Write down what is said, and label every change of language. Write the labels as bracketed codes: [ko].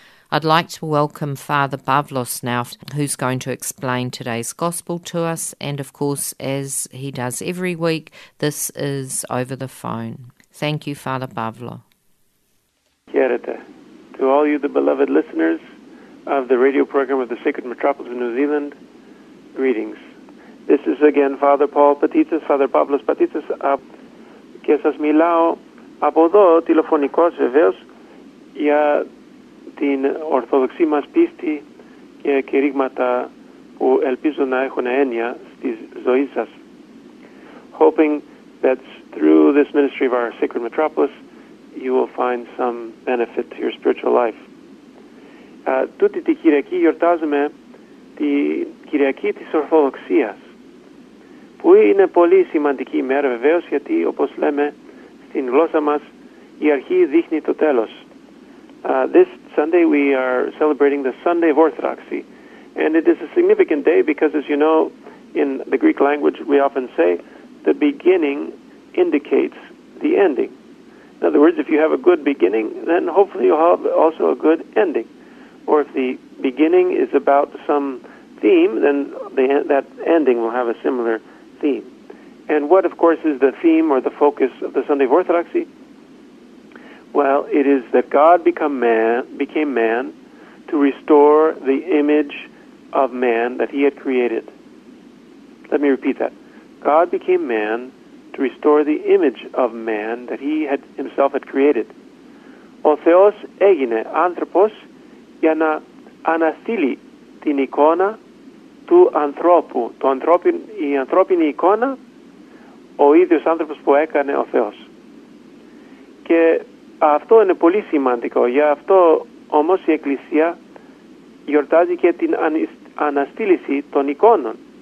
[en] I'd like to welcome Father Pavlos now, who's going to explain today's gospel to us. And of course, as he does every week, this is over the phone. Thank you, Father Pavlo. Kia to all you, the beloved listeners of the radio program of the Sacred Metropolis of New Zealand, greetings. This is again Father Paul Patitas, Father Pavlos Patitas, [el] και σας μιλάω από εδώ τηλεφωνικός βεβαίως για την ορθόδοξη μας πίστη και κηρύγματα που ελπίζω να έχουν έννοια στη ζωή σας. [en] Hoping that through this ministry of our Sacred Metropolis you will find some benefit to your spiritual life. [el] Τούτη τη Κυριακή γιορτάζουμε τη Κυριακή της Ορθοδοξίας, που είναι πολύ σημαντική ημέρα βεβαίως, γιατί όπως λέμε στην γλώσσα μας, η αρχή δείχνει το τέλος. [en] This Sunday we are celebrating the Sunday of Orthodoxy, and it is a significant day because, as you know, in the Greek language we often say the beginning indicates the ending. In other words, if you have a good beginning, then hopefully you'll have also a good ending. Or if the beginning is about some theme, then that ending will have a similar theme. And what, of course, is the theme or the focus of the Sunday of Orthodoxy? Well, it is that God became man to restore the image of man that he had created. Let me repeat that. God became man to restore the image of man that he had himself had created. [el] Ο Θεός έγινε άνθρωπος για να αναστείλει την εικόνα του ανθρώπου. Η ανθρώπινη εικόνα, ο ίδιος άνθρωπος που έκανε ο Θεός. Και αυτό είναι πολύ σημαντικό. Γι' αυτό όμως η Εκκλησία γιορτάζει και την αναστήλιση των εικόνων.